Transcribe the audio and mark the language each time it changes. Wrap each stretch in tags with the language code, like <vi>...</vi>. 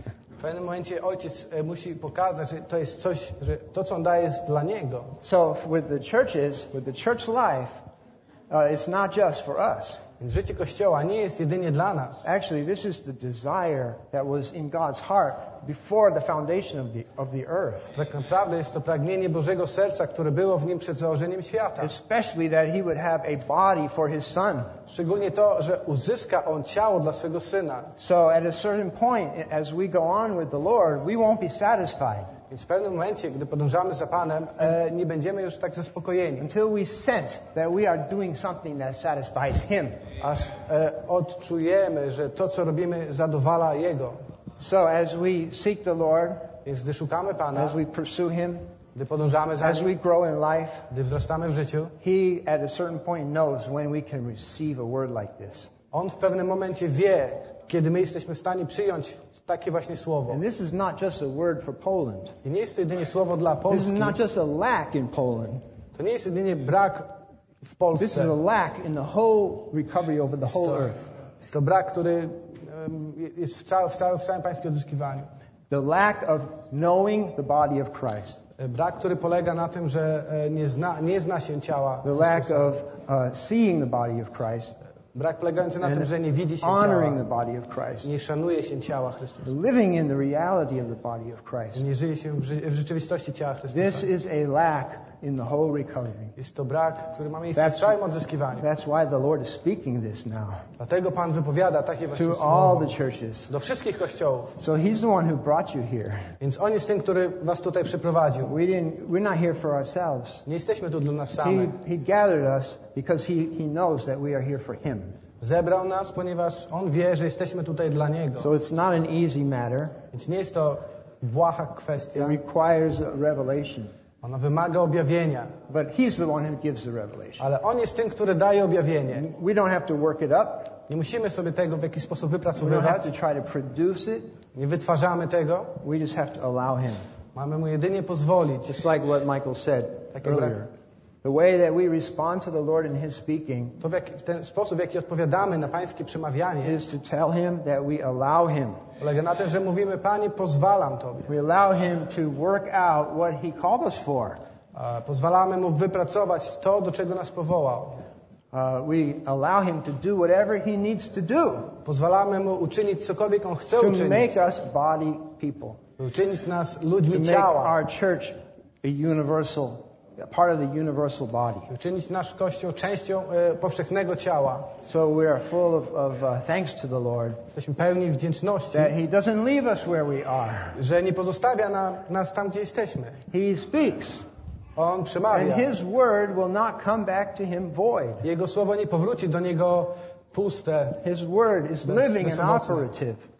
<pl>W pewnym momencie ojciec musi pokazać, że to jest coś, że to co on daje jest dla niego.</pl> <en>So with the churches, with the church life, it's not just for us.</en> <pl>Więc życie kościoła nie jest jedynie dla nas.</pl> <en>Actually, this is the desire that was in God's heart before the foundation of the earth.</en> <pl>Tak naprawdę jest to pragnienie Bożego serca, które było w nim przed założeniem świata.</pl> <en>Especially that he would have a body for his son.</en> <pl>Szczególnie to, że uzyska on ciało dla swego syna.</pl> <en>So at a certain point, as we go on with the Lord, we won't be satisfied.</en> <pl>Więc w pewnym momencie, gdy podążamy za Panem, nie będziemy już tak zaspokojeni.</pl> <en>Until we sense that we are doing something that satisfies him.</en> <pl>Aż odczujemy, że to, co robimy, zadowala Jego.</pl> <en>So as we seek the Lord,</en> <pl>więc gdy szukamy Pana,</pl> <en>as we pursue him,</en> <pl>gdy podążamy za</pl> <en>as</en> <pl>nim,</pl> <en>we grow in life,</en> <pl>gdy wzrastamy w życiu,</pl> <en>he at a certain point knows when we can receive a word like this.</en> <pl>On w pewnym momencie wie, kiedy my jesteśmy w stanie przyjąć takie właśnie słowo.</pl> <en>And this is not just a word for Poland.</en> <pl>I nie jest to jedynie słowo dla Polski.</pl> <en>This is not just a lack in Poland.</en> <pl>To nie jest jedynie brak w Polsce.</pl> <en>This is a lack in the whole recovery over the whole earth.</en> <pl>Jest to brak, który jest w całym pańskim odzyskiwaniu.</pl> <en>The lack of knowing the body of Christ.</en> <pl>Brak, który polega na tym, że nie zna się ciała.</pl> <en>The lack of seeing the body of Christ.</en> <pl>Brak polegający na tym, że nie widzi się</pl> <en>honoring</en> <pl>ciała,</pl> <en>the body of Christ.</en> <pl>Nie szanuje się ciała Chrystusa.</pl> <en>Living in the reality of the body of Christ.</en> <pl>Nie żyje się w rzeczywistości ciała Chrystusa.</pl> <en>This is a lack in the whole recovery.</en> <pl>Jest to brak, który ma miejsce w całym odzyskiwaniu.</pl> <en>That's why the Lord is speaking this now.</en> <pl>Dlatego Pan wypowiada takie właśnie słowo.</pl> <en>To all the churches.</en> <pl>Do wszystkich kościołów.</pl> <en>So he's the one who brought you here.</en> <pl>Więc on jest ten, który was tutaj przyprowadził.</pl> <en>We're not here for ourselves.</en> <pl>Nie jesteśmy tu dla nas samych.</pl> <en>He gathered us because he knows that we are here for him.</en> <pl>Zebrał nas, ponieważ on wie, że jesteśmy tutaj dla niego.</pl> <en>So it's not an easy matter.</en> <pl>Więc nie jest to błaha kwestia.</pl> <en>It requires a revelation.</en> <pl>Ona wymaga objawienia.</pl> <en>But he's the one who gives the revelation.</en> <pl>Ale on jest tym, który daje objawienie.</pl> <en>We don't have to work it up.</en> <pl>Nie musimy sobie tego w jakiś sposób wypracowywać.</pl> <en>We don't have to try to produce it.</en> <pl>Nie wytwarzamy tego.</pl> <en>We just have to allow him.</en> <pl>Mamy mu jedynie pozwolić.</pl> <en>Just like what Michael said earlier. The way that we respond to the Lord in his speaking</en> <pl>to w ten sposób, w jaki odpowiadamy na pańskie przemawianie,</pl> <en>is to tell him that we allow him.</en> <pl>Polega na tym, że mówimy, Panie, pozwalam Tobie.</pl> <en>We allow him to work out what he called us for.</en> <pl>Pozwalamy mu wypracować to, do czego nas powołał.</pl> <en>We allow him to do whatever he needs to do.</en> <pl>Pozwalamy mu uczynić cokolwiek on chce uczynić.</pl> <en>To make us body people.</en> <pl>Uczynić nas ludźmi</pl> <en>to</en> <pl>ciała.</pl> <en>To make our church a universal part of the universal body.</en> <pl>Uczynić nasz kościół częścią powszechnego ciała.</pl> <en>So we are full of thanks to the Lord.</en> <pl>Jesteśmy pełni wdzięczności.</pl> <en>That he doesn't leave us where we are.</en> <pl>Że nie pozostawia nas tam, gdzie jesteśmy.</pl> <en>He speaks.</en> <pl>On przemawia.</pl> <en>And his word will not come back to him void.</en> <pl>Jego słowo nie powróci do niego puste.</pl> <en>His word is living and operative.</en>